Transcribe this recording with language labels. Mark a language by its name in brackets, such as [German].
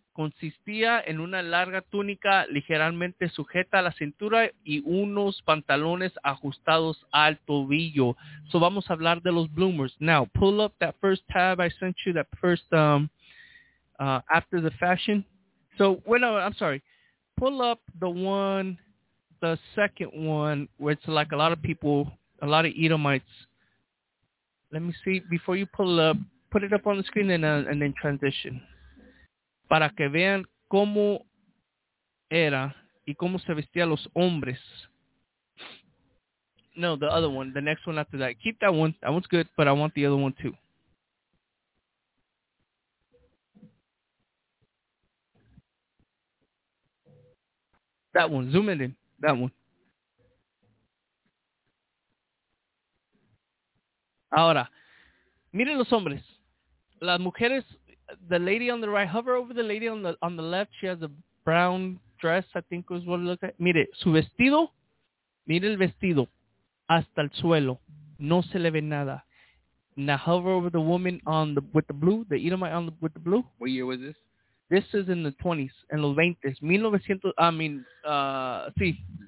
[Spanish] Consistía en una larga túnica ligeramente sujeta a la cintura y unos pantalones ajustados al tobillo. So vamos a hablar de los bloomers. [English] Now, pull up that first tab I sent you, that first after the fashion. So, pull up the second one, where it's like a lot of people, a lot of Edomites. Let me see, before you pull up, put it up on the screen and then transition. [Spanish] Para que vean cómo era y cómo se vestían los hombres. [English] No, the other one, the next one after that. Keep that one. That one's good, but I want the other one too. That one. Zoom it in. That one. [Spanish] Ahora, miren los hombres. Las mujeres... [English] The lady on the right, hover over the lady on the left. She has a brown dress, I think is what it looks like. [Spanish] Mire, su vestido, mire el vestido, hasta el suelo. No se le ve nada. [English] Now hover over the woman with the blue. What year was this? This is in the 20s, [Spanish] en los 20s. [English] 1900, I mean, [Spanish] sí.